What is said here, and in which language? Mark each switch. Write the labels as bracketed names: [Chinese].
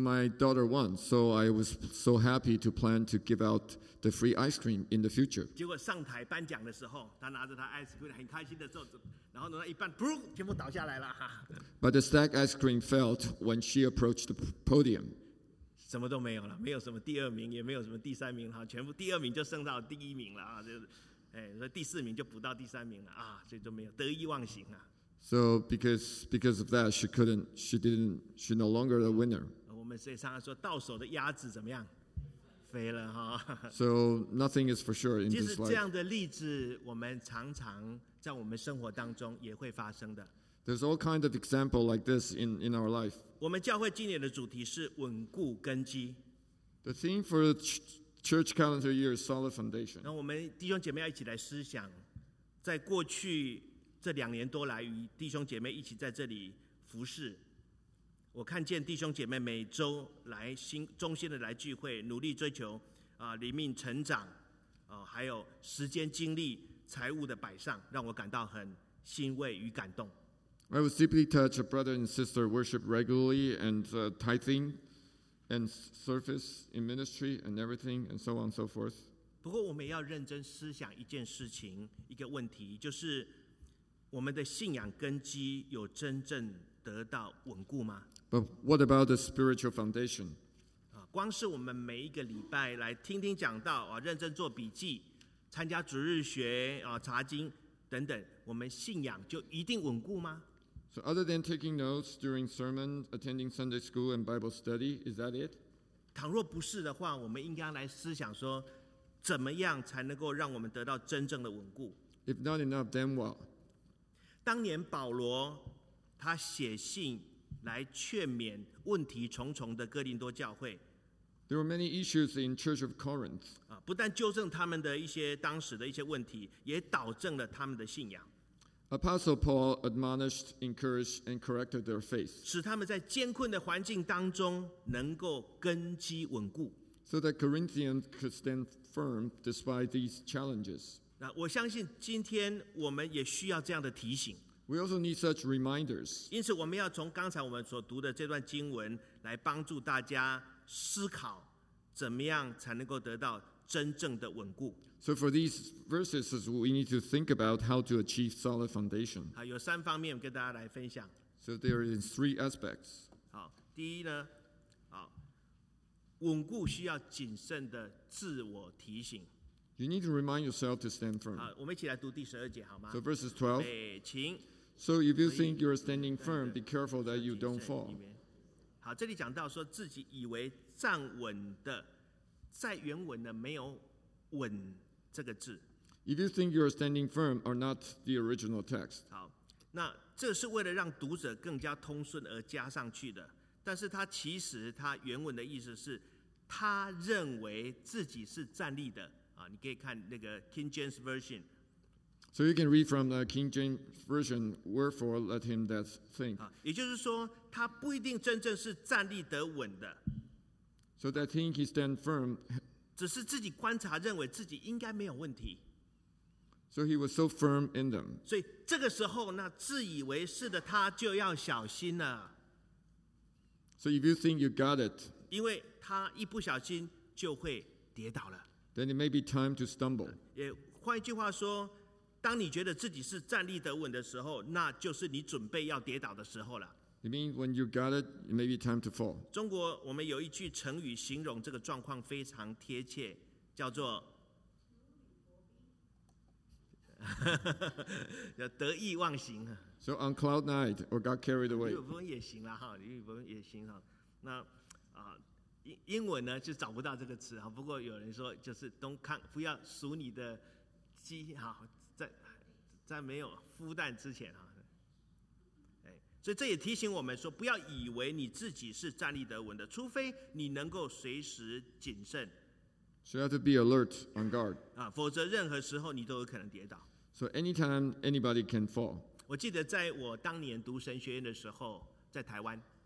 [English] my daughter won, so I was so happy to plan to give out the free ice cream in the future. [Chinese] 结果上台颁奖的时候，她拿着她 ice cream 很开心的坐着，然后弄到一半，全部倒下来了。 [English] But the stack ice cream fell when she approached the podium. [Chinese] 什么都没有了，没有什么第二名，也没有什么第三名，全部第二名就升到第一名了，所以第四名就不到第三名了，所以就没有得意忘形。 [English] So because of that, she couldn't, she's no longer the winner. [Chinese] 我们所以常常说，到手的鸭子怎么样，飞了。 [English] So nothing is for sure in this life. [Chinese] 其实这样的例子，我们常常在我们生活当中也会发生的。 [English] There's all kinds of examples like this in our life. [Chinese] 我们教会今年的主题是稳固根基。 [English] The theme for the church calendar year is solid foundation. [Chinese] 那我们弟兄姐妹一起来思想，在过去这两年多来与弟兄姐妹一起在这里服事，我看见弟兄姐妹每周来新中心的来聚会，努力追求灵命成长，还有时间精力财务的摆上，让我感到很欣慰与感动。 [English] I was deeply touched. A brother and sister worship regularly and tithing and service in ministry and everything and so on and so forth. [Chinese] 不过我们要认真思想一件事情，一个问题，就是我们的信仰根基有真正得到稳固吗？ [English] But what about the spiritual foundation? [Chinese] 光是我们每一个礼拜来听听讲道，认真做笔记，参加主日学，查经等等，我们信仰就一定稳固吗？ [English] So other than taking notes during sermon, attending Sunday school and Bible study, is that it? [Chinese] 倘若不是的话，我们应该来思想说，怎么样才能够让我们得到真正的稳固？ [English] If not enough, then what? [Chinese] 当年保罗他写信来劝勉问题重重的哥林多教会。 [English] There were many issues in Church of Corinth. [Chinese] 不但纠正他们的一些当时的一些问题，也导正了他们的信仰。 [English] Apostle Paul admonished, encouraged, and corrected their faith. [Chinese] 使他们在艰困的环境当中能够根基稳固。 [English] So that Corinthians could stand firm despite these challenges. [Chinese] 我相信今天我们也需要这样的提醒。 [English] We also need such reminders. [Chinese] 因此我们要从刚才我们所读的这段经文来帮助大家思考怎么样才能够得到真正的稳固。 [English] So for these verses, we need to think about how to achieve solid foundation. [Chinese] 好，有三方面跟大家来分享。 [English] So there is three aspects. [Chinese] 好，第一呢，好，稳固需要谨慎的自我提醒。 [English] You need to remind yourself to stand firm. [Chinese] 好，我们一起来读第十二节好吗 [English] ？So verses 12. [Chinese] 请。 [English] So if you think you are standing firm, be careful that you don't fall. [Chinese] 好，这里讲到说自己以为站稳的，在原文的没有稳这个字。 [English] If you think you are standing firm are not the original text. [Chinese] 好，那这是为了让读者更加通顺而加上去的。但是他其实他原文的意思是，他认为自己是站立的。你可以看那个 King James Version. [English] So you can read from the King James Version, wherefore let him that think. [Chinese] 也就是说他不一定真正是站立得稳的。 [English] So that think he stand firm. [Chinese] 只是自己观察认为自己应该没有问题。 [English] So he was so firm in them. [Chinese] 所以这个时候那自以为是的他就要小心了。 [English] So if you think you got it. [Chinese] 因为他一不小心就会跌倒了。 [English] Then it may be time to stumble. [Chinese] 也换一句话说，当你觉得自己是站立得稳的时候，那就是你准备要跌倒的时候了。 [English] It means when you got it, it may be time to fall. [Chinese] 中国我们有一句成语形容这个状况非常贴切，叫做得意忘形。 [English] So on cloud night, or got carried away. [Chinese] 雨风也行啦，哈，雨风也行哈，那啊。英文呢就找不到这个词，不过有人说就是 [English] don't count, [Chinese] 不要数你的鸡，好 在没有孵蛋之前，所以这也提醒我们说不要以为你自己是站立得稳的，除非你能够随时谨慎。 [English] So you have to be alert on guard. [Chinese] 否则任何时候你都有可能跌倒。 [English] So anytime anybody can fall. [Chinese] 我记得在我当年读神学院的时候在台湾，